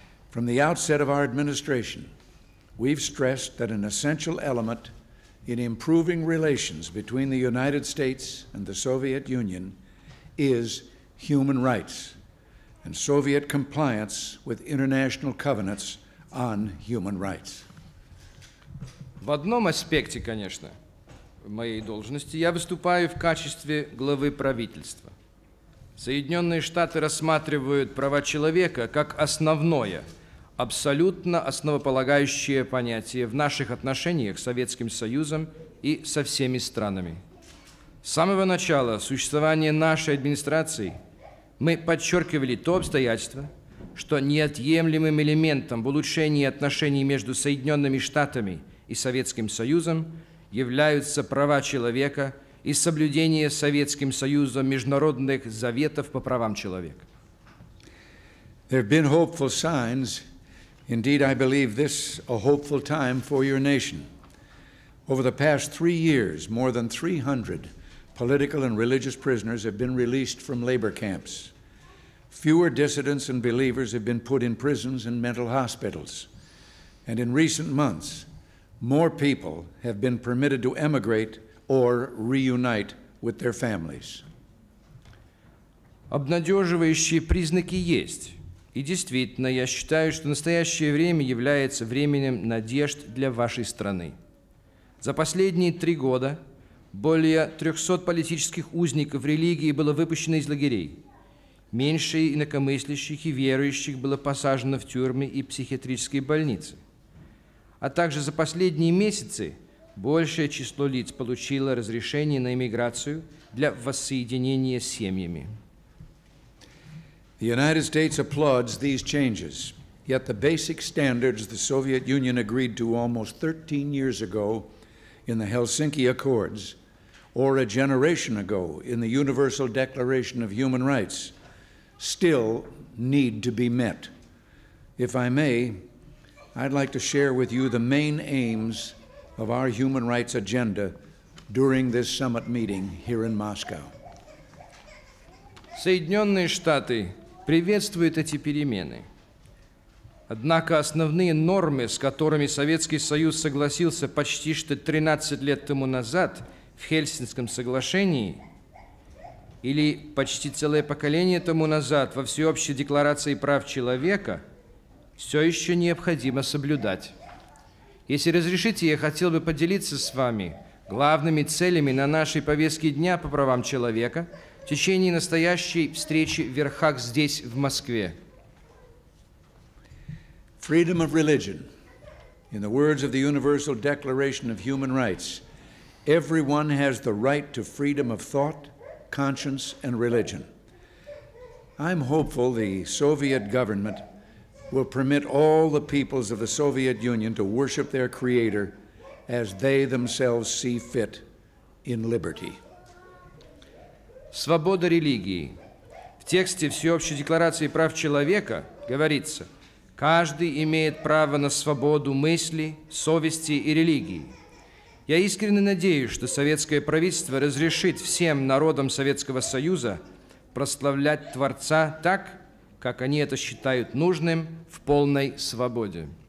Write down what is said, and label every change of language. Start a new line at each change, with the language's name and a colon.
English: From the outset of our administration, we've stressed that an essential element in improving relations between the United States and the Soviet Union is human rights and Soviet compliance with international covenants on human rights.
Russian: В одном аспекте, конечно, моей должности, я выступаю в качестве главы правительства. Соединенные Штаты рассматривают права человека как основное, абсолютно основополагающее понятие в наших отношениях с Советским Союзом и со всеми странами. С самого начала существования нашей администрации мы подчеркивали то обстоятельство, что неотъемлемым элементом в улучшении отношений между Соединенными Штатами и Советским Союзом являются права человека и соблюдение Советским Союзом международных заветов по правам человека.
English: There have been hopeful signs. Indeed, I believe this a hopeful time for your nation. Over the past 3 years, more than 300 political and religious prisoners have been released from labor camps. Fewer dissidents and believers have been put in prisons and mental hospitals. And in recent months, more people have been permitted to emigrate or reunite with their families.
Russian: Обнадеживающие признаки есть. И действительно, я считаю, что настоящее время является временем надежд для вашей страны. За последние 3 года более 300 политических узников религии было выпущено из лагерей. Меньше инакомыслящих и верующих было посажено в тюрьмы и психиатрические больницы. А также за последние месяцы большее число лиц получило разрешение на эмиграцию для воссоединения с семьями.
English: The United States applauds these changes. Yet the basic standards the Soviet Union agreed to almost 13 years ago in the Helsinki Accords or a generation ago in the Universal Declaration of Human Rights still need to be met. If I may, I'd like to share with you the main aims of our human rights agenda during this summit meeting here in Moscow.
Russian: Соединенные Штаты приветствуют эти перемены. Однако основные нормы, с которыми Советский Союз согласился почти что 13 лет тому назад в Хельсинкском соглашении, или почти целое поколение тому назад во Всеобщей декларации прав человека, все еще необходимо соблюдать. Если разрешите, я хотел бы поделиться с вами главными целями на нашей повестке дня по правам человека в течение настоящей встречи в Верхах здесь, в Москве.
English: Freedom of religion. In the words of the Universal Declaration of Human Rights, everyone has the right to freedom of thought, conscience, and religion. I'm hopeful the Soviet government will permit all the peoples of the Soviet Union to worship their creator as they themselves see fit in liberty.
Russian: Свобода религии. В тексте Всеобщей декларации прав человека говорится: каждый имеет право на свободу мысли, совести и религии. Я искренне надеюсь, что советское правительство разрешит всем народам Советского Союза прославлять Творца так, как они это считают нужным, в полной свободе.